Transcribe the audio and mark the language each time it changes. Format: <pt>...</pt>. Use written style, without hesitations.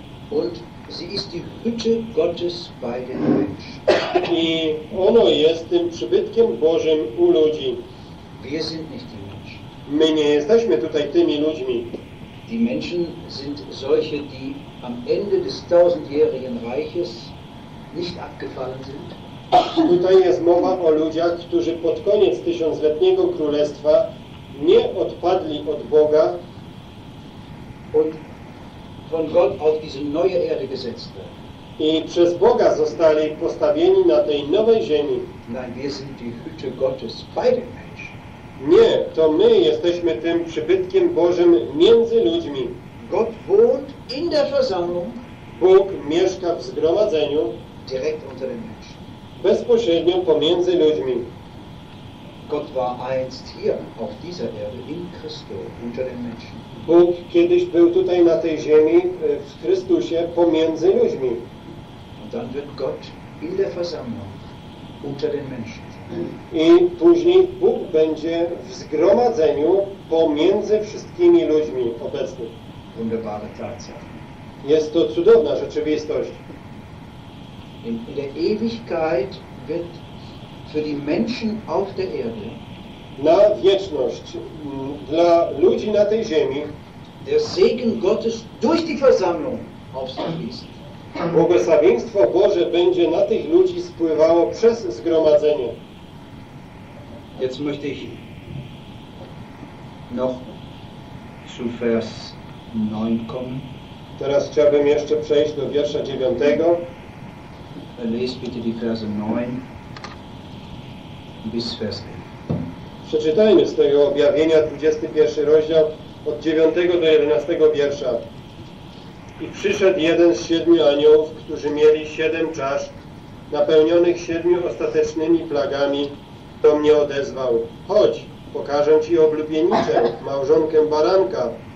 <de>Und sie ist die Hütte Gottes bei den Menschen.</de> <pl>I ono jest tym przybytkiem Bożym u ludzi.</pl> <de>Wir sind nicht die Menschen.</de> <pl>My nie jesteśmy tutaj tymi ludźmi.</pl> <de>Die Menschen sind solche, die am Ende des tausendjährigen Reiches nicht abgefallen sind.</de> <pl>Tutaj jest mowa o ludziach, którzy pod koniec tysiącletniego królestwa nie odpadli od Boga</pl> <de>und von Gott auf diese neue Erde gesetzt.</de> <pl>I przez Boga zostali postawieni na tej nowej ziemi.</pl> <de>Nein, wir sind die Hütte Gottes bei den Menschen.</de> <pl>Nie, to my jesteśmy tym przybytkiem Bożym między ludźmi.</pl> <de>Gott wohnt in der Versammlung.</de> <pl>Bóg mieszka w zgromadzeniu</pl> <de>direkt unter den Menschen.</de> <pl>Bezpośrednio pomiędzy ludźmi.</pl> <de>Gott war einst hier auf dieser Erde in Christo unter den Menschen.</de> <pl>Bóg kiedyś był tutaj na tej ziemi w Chrystusie pomiędzy ludźmi.</pl> <de>Und dann wird Gott in der Versammlung unter den Menschen.</de> <pl>I później Bóg będzie w zgromadzeniu pomiędzy wszystkimi ludźmi obecnych.</pl> <de>Wunderbare Tatsache.</de> <pl>Jest to cudowna rzeczywistość.</pl> <de>In der Ewigkeit wird für die Menschen auf der Erde</de> <pl>na wieczność dla ludzi na tej ziemi</pl> <de>der Segen Gottes durch die Versammlung auf sie fließen.</de> <pl>Błogosławieństwo Boże będzie na tych ludzi spływało przez zgromadzenie.</pl> <de>Jetzt möchte ich noch zu Vers 9 kommen.</de> <pl>Teraz chciałbym jeszcze przejść do wiersza 9.</pl> <de>Lest bitte die Verse 9 bis Vers 11.</de> <pl>Przeczytajmy z tego objawienia 21 rozdział od 9 do 11 wiersza. I przyszedł jeden z siedmiu aniołów, którzy mieli siedem czasz, napełnionych siedmiu ostatecznymi plagami, to mnie odezwał: chodź, pokażę ci oblubienicę, małżonkę baranka.</pl>